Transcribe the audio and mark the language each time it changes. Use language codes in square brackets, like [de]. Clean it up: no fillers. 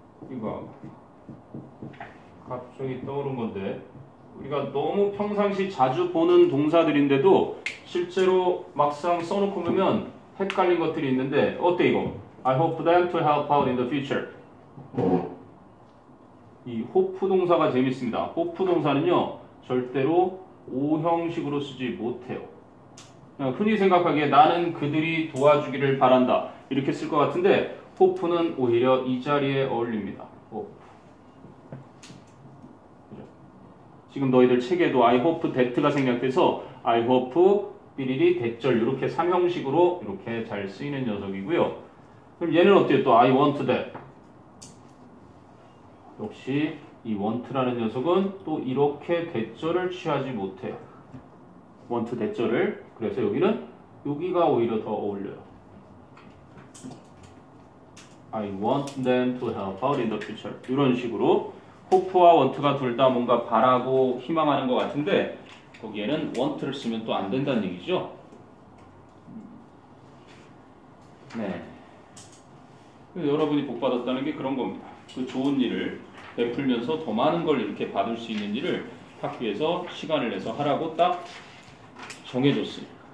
[ko] 이거 갑자기 떠오른 건데 우리가 너무 평상시 자주 보는 동사들인데도 실제로 막상 써놓고 보면 헷갈린 것들이 있는데 어때 이거? [en] I hope them to help out in the future. [ko] 이 hope 동사가 재밌습니다. hope 동사는요 절대로 오형식으로 쓰지 못해요. 흔히 생각하기에 나는 그들이 도와주기를 바란다 이렇게 쓸 것 같은데 hope는 오히려 이 자리에 어울립니다. hope. 지금 너희들 책에도 I hope that가 생략돼서 I hope 삐리리 대절 이렇게 3형식으로 이렇게 잘 쓰이는 녀석이고요. 그럼 얘는 어때요? 또 [en] I want that. [ko] 역시 이 want라는 녀석은 또 이렇게 대절을 취하지 못해요. want 대절을. 그래서 여기는 여기가 오히려 더 어울려요. [en] I want them to help out in the future. [ko] 이런 식으로 hope와 want가 둘 다 뭔가 바라고 희망하는 것 같은데 거기에는 want를 쓰면 또 안 된다는 얘기죠. 네. 여러분이 복 받았다는 게 그런 겁니다. 그 좋은 일을 베풀면서 더 많은 걸 이렇게 받을 수 있는 일을 학교에서 시간을 내서 하라고 딱 정해줬습니다.